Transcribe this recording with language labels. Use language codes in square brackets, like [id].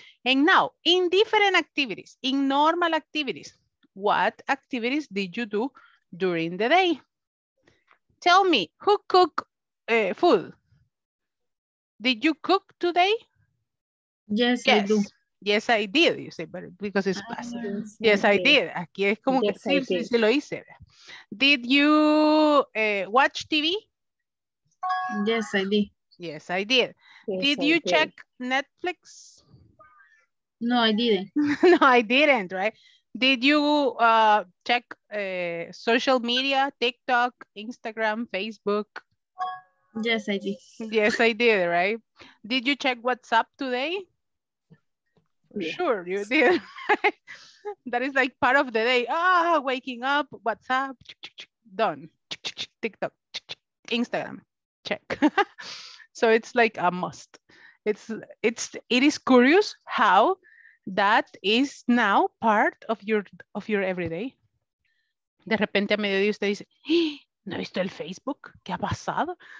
[en] And now, in different activities, in normal activities, what activities did you do during the day? Tell me, who cooked food? Did you cook today? Yes, yes, I do. Yes, I did, you say, but because it's passive. Yes, I did. [es] Aquí es como yes, que sí, sí, sí lo hice. [en] Did you watch TV? Yes, I did. Yes, I did. Yes, did you check Netflix? No, I didn't. No, I didn't, right? Did you check social media, TikTok, Instagram, Facebook? Yes, I did. Yes, I did, right? Did you check WhatsApp today? Yes. Sure, you did. That is like part of the day. Ah, waking up, WhatsApp, done. TikTok, Instagram, check. So it's like a must. It is curious how that is now part of your everyday. [es] De repente a mediodía usted dice, no he visto el Facebook, ¿qué ha pasado?